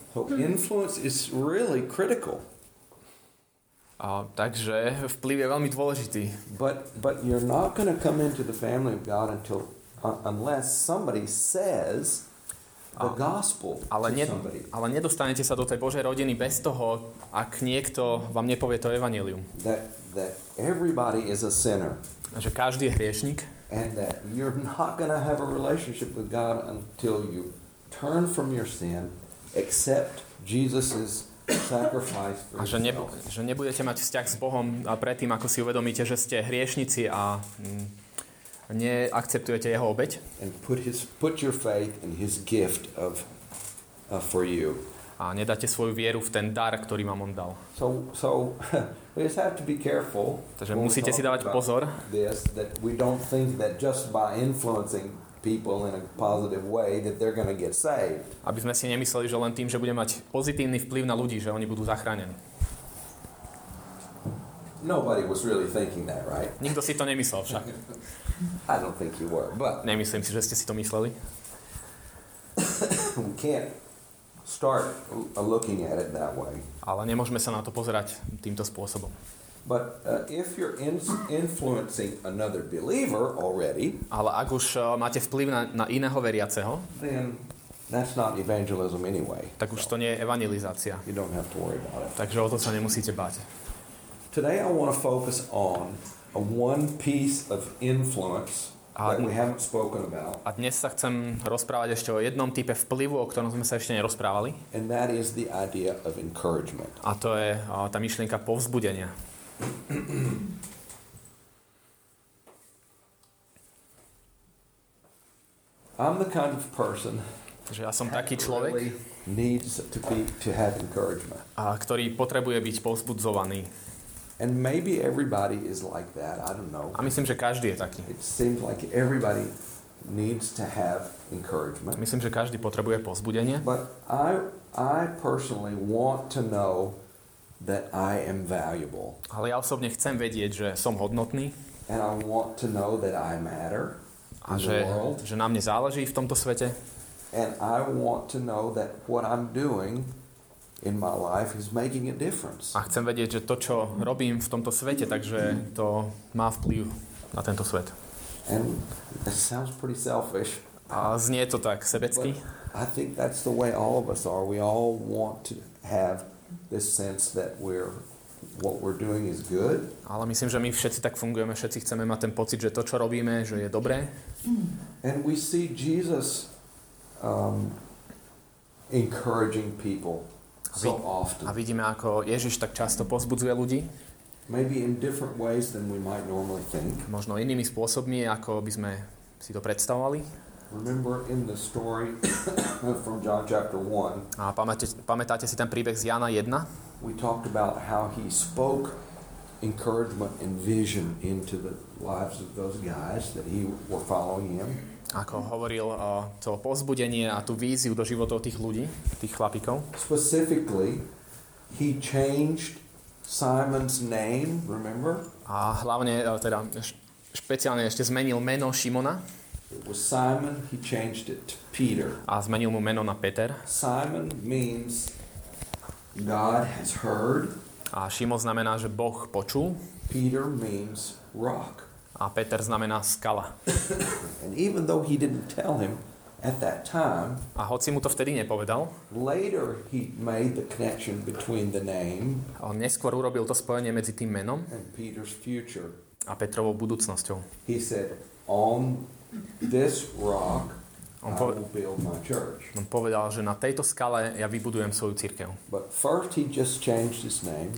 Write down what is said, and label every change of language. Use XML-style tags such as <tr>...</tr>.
<en>So influence is really critical.</en> <sk>Takže vplyv je veľmi dôležitý.</sk> <en>But you're not going to come into the family of God until unless somebody says the gospel.</en> <sk>Ale nedostanete sa do tej Božej rodiny bez toho, ak niekto vám nepovie to evanjelium.</sk> <en>That everybody is a sinner.</en> <sk>A že každý je hriešnik.</sk> <en>And that you're not going to have a relationship with God until you turn from your sin, accept Jesus's sacrifice for yourself.</en> <sk>Že nebudete mať vzťah s Bohom a predtým, ako si uvedomíte, že ste hriešnici a neakceptujete jeho obeť.</sk> <en>And put your faith in his gift of for you.</en> <sk>A nedáte svoju vieru v ten dar, ktorý vám on dal.</sk> <en>So we just have to be careful.</en> <sk>Takže musíte si dávať pozor.</sk> <en>This, that we don't think that just by influencing people in a positive way that they're going to get saved.</en> <sk>Aby sme si nemysleli, že len tým, že budeme mať pozitívny vplyv na ľudí, že oni budú zachránení.</sk> <en>Nobody was really thinking that, right?</en> <sk>Nikto si to nemyslel však.</sk> <en>I don't think you were, but</en> <sk>nemyslím si, že ste si to mysleli.</sk> <en>We can't start looking at it that way.</en> <sk>Ale nemôžeme sa na to pozerať týmto spôsobom.</sk> <en>But if you're influencing another believer already,</en> <sk>ale ak už máte vplyv na iného veriaceho,</sk> <en>then that's not evangelism anyway.</en> <sk>Tak už to nie je evangelizácia.</sk> <en>You don't have to worry about it.</en> <sk>Takže o to sa nemusíte báť.</sk> <en>Today I want to focus on a one piece of influence that we haven't spoken about.</en> <sk>A dnes sa chcem rozprávať ešte o jednom type vplyvu, o ktorom sme sa ešte nerozprávali.</sk> <en>And that is the idea of encouragement.</en> <sk>A to je tá myšlienka povzbudenia.</sk> <en>I'm the kind of person,</en> <sk>že ja som taký človek,</sk> <en>really needs to be to have encouragement.</en> <sk>A ktorý potrebuje byť povzbudzovaný.</sk> <en>And maybe everybody is like that. I don't know.</en> <sk>A myslím, že každý je taký.</sk> <en>It seems like everybody needs to have encouragement.</en> <sk>Myslím, že každý potrebuje povzbudenie.</sk> <en>But I personally want to know that I am valuable.</en> <sk>Ale ja osobne chcem vedieť, že som hodnotný.</sk> <en>And I want to know that I matter in the world.</en> <sk>Že na mne záleží v tomto svete.</sk> <en>And I want to know that what I'm doing in my life is making a difference.</en> <sk>A chcem vedieť, že to, čo robím v tomto svete, takže to má vplyv na tento svet.</sk> <en>And it sounds pretty selfish.</en> <sk>A znie to tak sebecky.</sk> <en>I think that's the way all of us are. We all want to have this sense that what we're doing is good.</en> <sk>Ale myslím, že my všetci tak fungujeme, všetci chceme mať ten pocit, že to, čo robíme, že je dobré.</sk> <en>And we see Jesus encouraging people.</en> <sk>A vidíme, ako Ježiš tak často povzbudzuje ľudí.</sk> <en>Maybe in different ways than we might normally think.</en> <sk>Možno inými spôsobmi, ako by sme si to predstavovali.</sk> <en>Remember in the story from John chapter 1.</en> <sk>A pamätáte si ten príbeh z Jana 1?</sk> <en>We talked about how he spoke encouragement and vision into the lives of those guys that he were following him.</en> <sk>Ako hovoril to povzbudenie a tú víziu do životov tých ľudí, tých chlapíkov.</sk> <en>Specifically, he changed Simon's name, remember?</en> <sk>A hlavne teda špeciálne ešte zmenil meno Šimona.</sk> <en>It was Simon, he changed it to Peter.</en> <sk>A zmenil mu meno na Peter.</sk> <en>Simon means God has heard.</en> <sk>A Šimon znamená, že Boh počul.</sk> <en>Peter means rock.</en> <sk>A Peter znamená skala.</sk> <en>And even though he didn't tell him at that time,</en> <sk>a hoci mu to vtedy nepovedal,</sk> <en>later he made the connection between the name,</en> <sk>on neskôr urobil to spojenie medzi tým menom</sk> <en>and Peter's future,</en> <sk>a Petrovou budúcnosťou.</sk> <en>He said, on this rock I will build my church.</en> <sk>On povedal, že na tejto skale ja vybudujem svoju cirkev.</sk> <en>But first he just changed his name.</en>